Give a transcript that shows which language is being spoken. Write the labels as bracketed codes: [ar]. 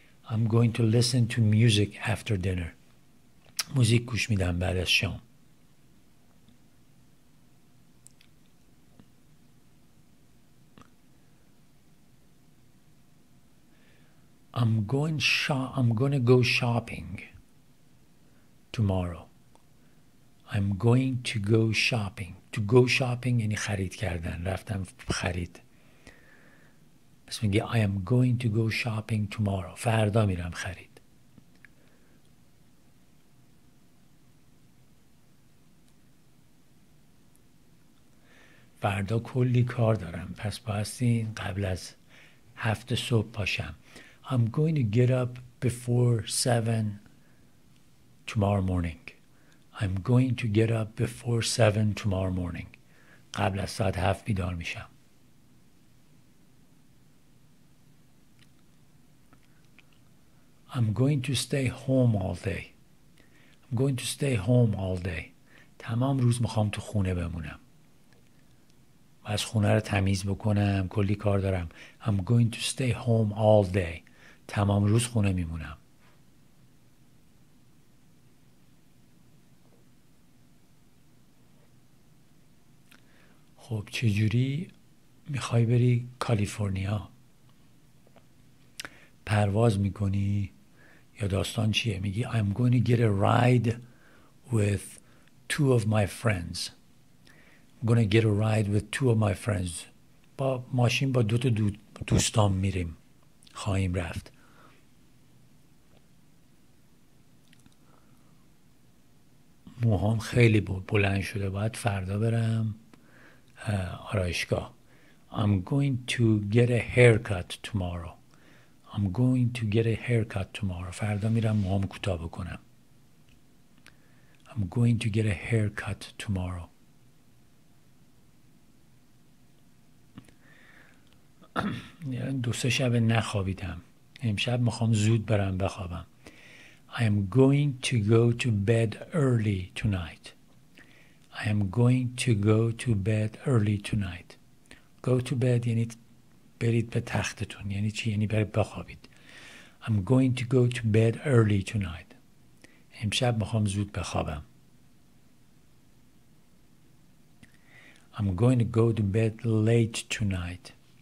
[en] I'm going to listen to music after dinner. [fa] موزیک گوش میدم بعد از شام. [en] I'm going to go shopping tomorrow. I'm going to go shopping. To go shopping [fa] یعنی خرید کردن، رفتم خرید. پس میگه [en] I am going to go shopping tomorrow. [fa] فردا میرم خرید. فردا کلی کار دارم، پس بایستی قبل از 7 صبح پاشم. [en] I'm going to get up before 7 tomorrow morning. I'm going to get up before 7 tomorrow morning. [fa] قبل از ساعت 7 بیدار میشم. [en] I'm going to stay home all day. I'm going to stay home all day. [fa] تمام روز میخوام تو خونه بمونم. از خونه رو تمیز بکنم، کلی کار دارم. [en] I'm going to stay home all day. [fa] تمام روز خونه میمونم. خب چجوری میخوای بری کالیفرنیا؟ پرواز میکنی یا داستان چیه؟ میگی [en] I'm going to get a ride with two of my friends. Gonna get a ride with two of my friends. [fa] با ماشین با دو تا دوستام میریم. خواهیم رفت. موهام خیلی بلند شده. باید فردا برم آرایشگاه. [en] I'm going to get a haircut tomorrow. I'm going to get a haircut tomorrow. [fa] فردا میرم موهام کوتاه بکنم. [en] I'm going to get a haircut tomorrow. [fa] دو سه شب نخوابیدم. امشب میخوام زود برم بخوابم. [en] I am going to go to bed early tonight. I am going to go to bed early tonight. Go to bed [fa] یعنی برید به تختتون. یعنی چی؟ یعنی برید بخوابید. [en] I'm going to go to bed early tonight. [fa] امشب میخوام زود بخوابم. [en] I'm going to go to bed late tonight.